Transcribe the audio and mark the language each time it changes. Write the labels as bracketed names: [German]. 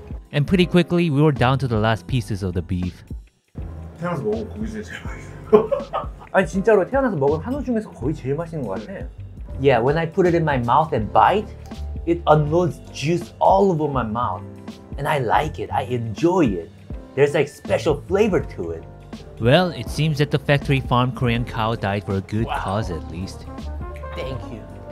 [English] And pretty quickly, we were down to the last pieces of the beef. [Korean] 태어나서 먹은 고기 중에 제일 맛있어요. 아니 진짜로 태어나서 먹은 한우 중에서 거의 제일 맛있는 것 같아. [English] Yeah, when I put it in my mouth and bite, it unloads juice all over my mouth. And I like it, I enjoy it. There's like special flavor to it. Well, it seems that the factory farm Korean cow died for a good cause at least. Thank you.